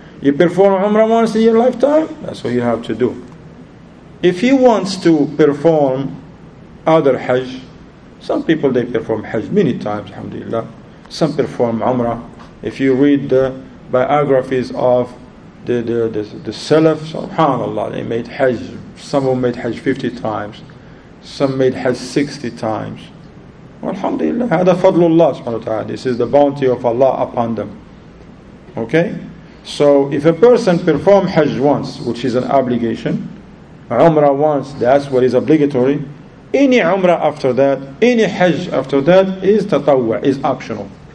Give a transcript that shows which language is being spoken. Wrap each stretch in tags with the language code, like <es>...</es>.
<en>You perform umrah once in your lifetime, that's what you have to do. If he wants to perform other hajj, Some people, they perform Hajj many times, alhamdulillah. Some perform Umrah. If you read the biographies of the Salaf, subhanAllah, they made Hajj. Some of them made Hajj 50 times. Some made Hajj 60 times.</en> <ar>Alhamdulillah, هذا فضل الله سبحانه وتعالى.</ar> <en>This is the bounty of Allah upon them. Okay? So if a person perform Hajj once, which is an obligation, Umrah once, that's what is obligatory. Any Umrah after that, any Hajj after that is tatawwa, is optional.</en>